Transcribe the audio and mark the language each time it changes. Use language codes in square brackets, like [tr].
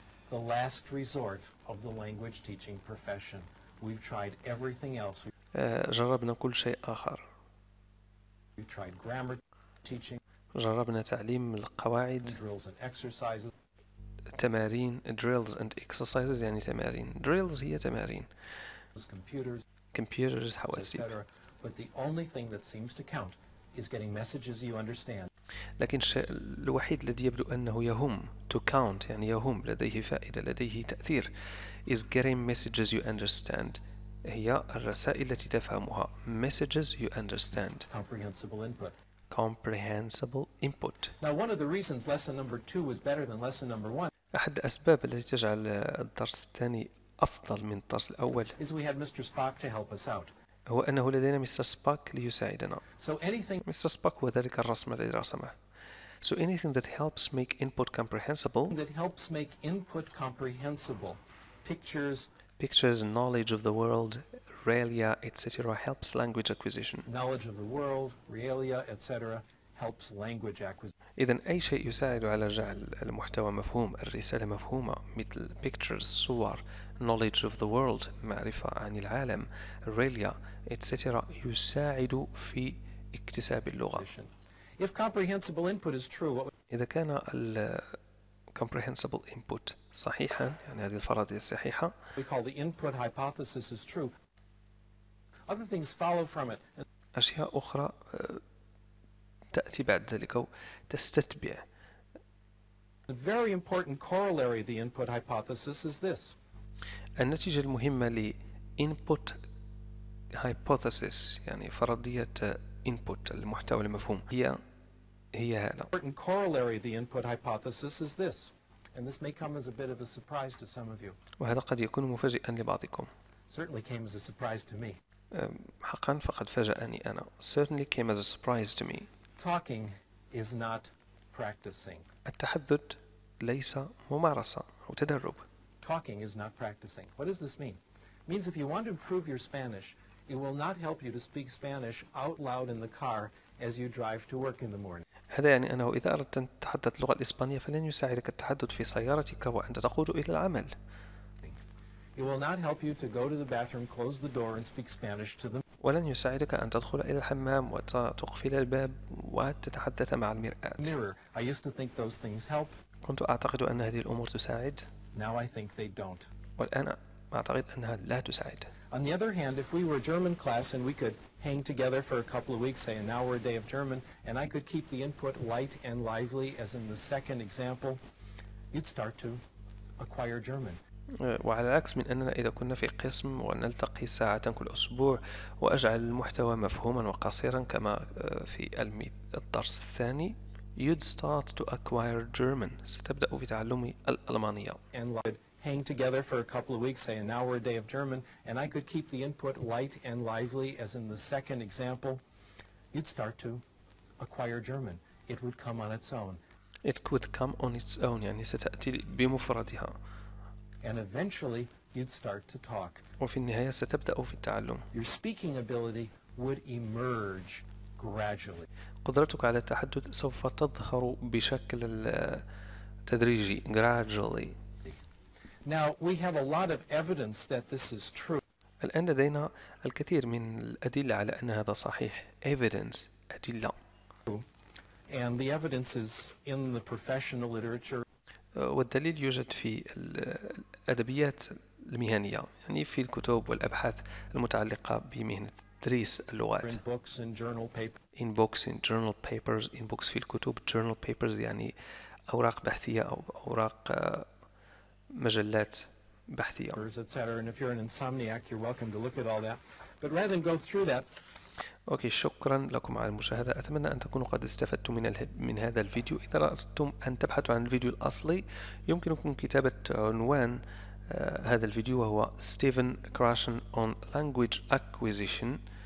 [en] The last resort of the language teaching profession. We've tried everything else. [ar] جربنا كل شيء آخر. [en] We've tried grammar teaching. [ar] جربنا تعليم القواعد. [en] Drills and exercises. [ar] تمارين [en] drills and exercises [ar] يعني تمارين. Drills هي تمارين. [en] Computers. Computers حواسيب. But the only thing that seems to count is getting messages you understand. [ar] لكن الشيء الوحيد الذي يبدو أنه يهم [en] to count [ar] يعني يهم لديه فائدة لديه تأثير [en] is getting messages you understand. [ar] هي الرسائل التي تفهمها [en] messages you understand. Comprehensible input. Comprehensible input. Now one of the reasons lesson number two was better than lesson number one. [ar] أحد الأسباب التي تجعل الدرس الثاني أفضل من الدرس الأول. [en] Is we had Mr. Spock to help us out. [ar] هو أنه لدينا مستر سباك ليساعدنا. [en] So anything. [ar] مستر سباك هو ذلك الرسم الذي رسمه. [en] So anything that helps make input comprehensible. That helps make input comprehensible. Pictures. Pictures, knowledge of the world, realia, etc. helps language acquisition. Knowledge of the world, realia, etc. helps language acquisition. [ar] إذن أي شيء يساعد على جعل المحتوى مفهوم، الرسالة مفهومة، مثل pictures، صور. [en] Knowledge of the world, [ar] معرفة عن العالم, [en] realia, etc. [ar] يساعد في اكتساب اللغة. [en] If comprehensible input is true, what [ar] إذا كان ال comprehensible input صحيحا, يعني هذه الفرضية الصحيحة. [en] We call the input hypothesis is true. Other things follow from it. [ar] أشياء أخرى تأتي بعد ذلك أو تستتبع. [en] A very important corollary of the input hypothesis is this. [ar] النتيجة المهمة لـ input hypothesis يعني فرضية input المحتوى المفهوم هي هذا. [en] Important corollary of the input hypothesis is this, and this may come as a bit of a surprise to some of you. [ar] وهذا قد يكون مفاجئا لبعضكم. [en] Certainly came as a surprise to me. [ar] حقا فقد فاجأني أنا. [en] Certainly came as a surprise to me. Talking is not practicing. [ar] التحدث ليس ممارسة أو تدرب. [en] Talking is not practicing. What does this mean? It means if you want to improve your Spanish, it will not help you to speak Spanish out loud in the car as you drive to work in the morning. [ar] هذا يعني أنه إذا أردت أن تتحدث اللغة الإسبانية فلن يساعدك التحدث في سيارتك وأنت تقود إلى العمل. [en] It will not help you to go to the bathroom, close the door, and speak Spanish to them. [ar] ولن يساعدك أن تدخل إلى الحمام وتقفل الباب وتتحدث مع المرآة. [en] Mirror. I used to think those things help. [ar] كنت أعتقد أن هذه الأمور تساعد. [en] Now I think they don't. [ar] والآن أعتقد أنها لا تساعد. [en] On the other hand, if we were a German class and we could hang together for a couple of weeks, say an hour a day of German, and I could keep the input light and lively, as in the second example, you'd start to acquire German. [ar] وعلى العكس من أننا إذا كنا في قسم ونلتقي ساعة كل أسبوع وأجعل المحتوى مفهوما وقصيرا كما في الدرس الثاني [en] you'd start to acquire German. [ar] ستبدأ بتعلم الألمانية. [en] And I could hang together for a couple of weeks, say an hour a day of German, and I could keep the input light and lively, as in the second example. You'd start to acquire German. It would come on its own. It could come on its own, [ar] يعني ستأتي بمفردها. [en] And eventually you'd start to talk. [ar] وفي النهاية ستبدأ في التعلم. [en] Your speaking ability would emerge gradually. [ar] قدرتك على التحدث سوف تظهر بشكل تدريجي gradually. [en] Now we have a lot of evidence that this is true. [ar] الآن لدينا الكثير من الأدلة على أن هذا صحيح. [en] Evidence, أدلة. And the evidence is in the professional literature. [ar] والدليل يوجد في الأدبيات المهنية، يعني في الكتب والأبحاث المتعلقة بمهنة تدريس اللغات. [en] In books, in journal papers. In books, in journal papers. In books, [ar] في الكتب. [en] Journal papers [ar] يعني أوراق بحثية أو أوراق مجلات بحثية. [en] Etc. And if you're an insomniac, you're welcome to look at all that. But rather than go through that. [ar] أوكي، شكرا لكم على المشاهدة. أتمنى أن تكونوا قد استفدتم من هذا الفيديو. إذا أردتم أن تبحثوا عن الفيديو الأصلي، يمكنكم كتابة عنوان هذا الفيديو وهو Stephen Krashen on Language Acquisition.